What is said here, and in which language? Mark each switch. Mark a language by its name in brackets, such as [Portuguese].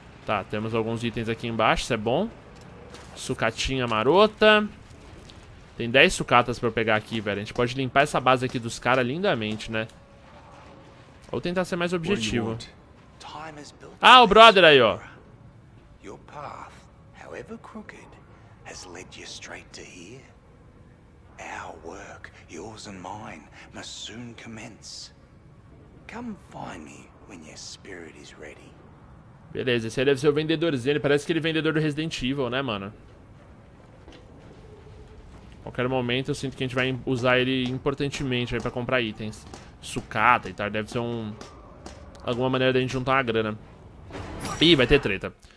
[Portuguese] Tá, temos alguns itens aqui embaixo, isso é bom. Sucatinha marota. Tem 10 sucatas pra eu pegar aqui, velho. A gente pode limpar essa base aqui dos caras lindamente, né? Ou tentar ser mais objetivo. Ah, o brother aí, ó. Seu caminho, [English] however crooked, has led you straight to here. Our work, yours and mine, must soon commence. Come find me when your spirit is ready. [Portuguese] Beleza, esse aí deve ser o vendedorzinho. Ele parece aquele vendedor do Resident Evil, né, mano? Qualquer momento eu sinto que a gente vai usar ele importantemente aí pra comprar itens. Sucata e tal, deve ser um... alguma maneira da gente juntar uma grana. Ih, vai ter treta.